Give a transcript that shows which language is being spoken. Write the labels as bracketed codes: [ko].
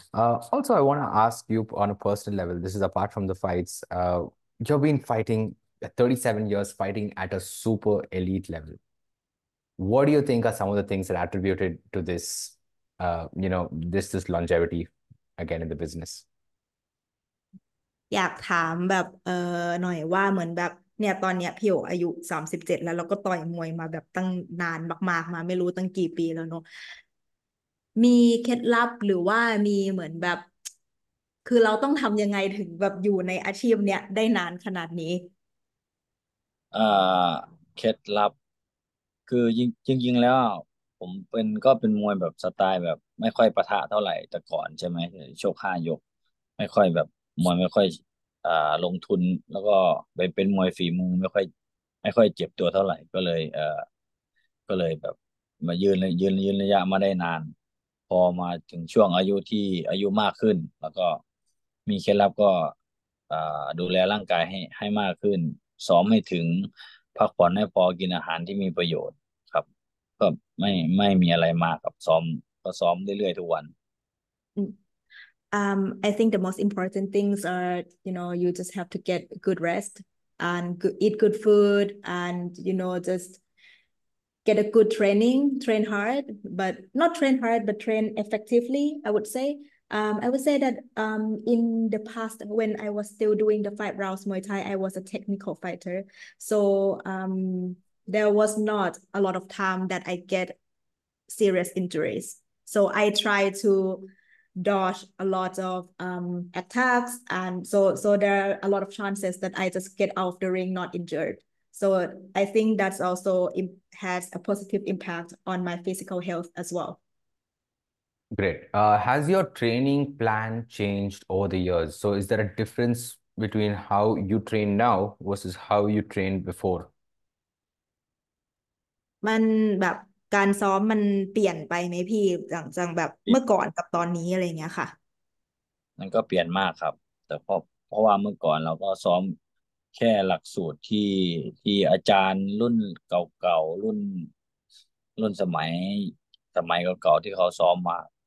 [en] Also, I want to ask you on a personal level, this is apart from the fights, you've been fighting 37 years fighting at a super elite level. What do you think are some of the things that attributed to this, this longevity again in the business? [th] อยากถามแบบหน่อยว่าเหมือนแบบเนี่ยตอนเนี้ยพี่โออายุ37แล้วเราก็ต่อยมวยมาแบบตั้งนานมากๆมาไม่รู้ตั้งกี่ปีแล้วเนาะมีเคล็ดลับหรือว่ามีเหมือนแบบคือเราต้องทำยังไงถึงแบบอยู่ในอาชีพเนี้ยได้นานขนาดนี้ เคล็ดลับคือจริงๆแล้วผมเป็นก็เป็นมวยแบบสไตล์แบบไม่ค่อยปะทะเท่าไหร่แต่ก่อนใช่ไหมชกห้ายกไม่ค่อยแบบมวยไม่ค่อยลงทุนแล้วก็ไปเป็นมวยฝีมือไม่ค่อยเจ็บตัวเท่าไหร่ก็เลยแบบมายืนระยะมาได้นานพอมาถึงช่วงอายุที่อายุมากขึ้นแล้วก็มีเคล็ดลับก็ ดูแลร่างกายให้มากขึ้นซ้อมให้ถึงพักผ่อนให้พอกินอาหารที่มีประโยชน์ครับก็ไม่มีอะไรมากครับซ้อมก็ซ้อมเรื่อยๆทุกวัน [en] I think the most important things are, you know, you just have to get good rest and eat good food and, you know, just get a good training, train hard, but not train hard, but train effectively, I would say. I would say that in the past, when I was still doing the five rounds Muay Thai, I was a technical fighter. So there was not a lot of time that I get serious injuries. So I try to dodge a lot of attacks and so there are a lot of chances that I just get out of the ring not injured so I think that's also has a positive impact on my physical health as well Great. Has your training plan changed over the years? So is there a difference between how you train now versus how you trained before? [th] มันแบบการซ้อมมันเปลี่ยนไปไหมพี่หลังจากแบบเมื่อก่อนกับตอนนี้อะไรเงี้ยค่ะ มันก็เปลี่ยนมากครับแต่เพราะว่าเมื่อก่อนเราก็ซ้อมแค่หลักสูตรที่อาจารย์รุ่นเก่าๆรุ่นสมัยเก่าๆที่เขาซ้อมมา